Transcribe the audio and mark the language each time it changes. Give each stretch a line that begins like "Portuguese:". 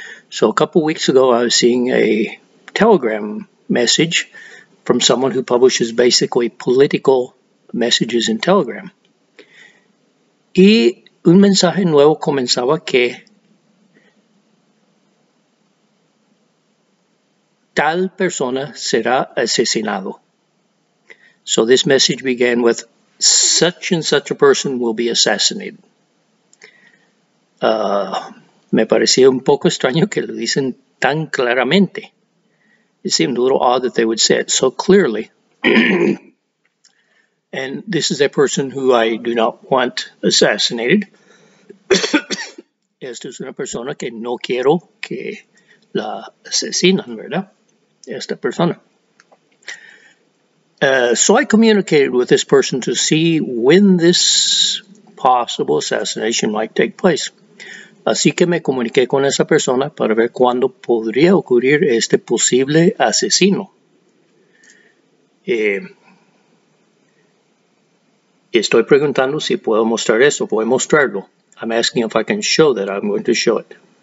English: So a couple weeks ago, I was seeing a Telegram message from someone who publishes basically political messages in Telegram.
Spanish: Y un mensaje nuevo comenzaba que tal persona será asesinado.
English: So this message began with such and such a person will be assassinated.
Spanish: Me parecía un poco extraño que lo dicen tan claramente.
English: It seemed a little odd that they would say it so clearly. And this is a person who I do not want assassinated.
Spanish: Esta es una persona que no quiero que la asesinen, ¿verdad? Esta persona.
English: So I communicated with this person to see when this possible assassination might take place.
Spanish: Así que me comuniqué con esa persona para ver cuándo podría ocurrir este posible asesino. Estoy preguntando si puedo mostrar eso. Voy a mostrarlo.
English: I'm asking if I can show that. I'm going to show it.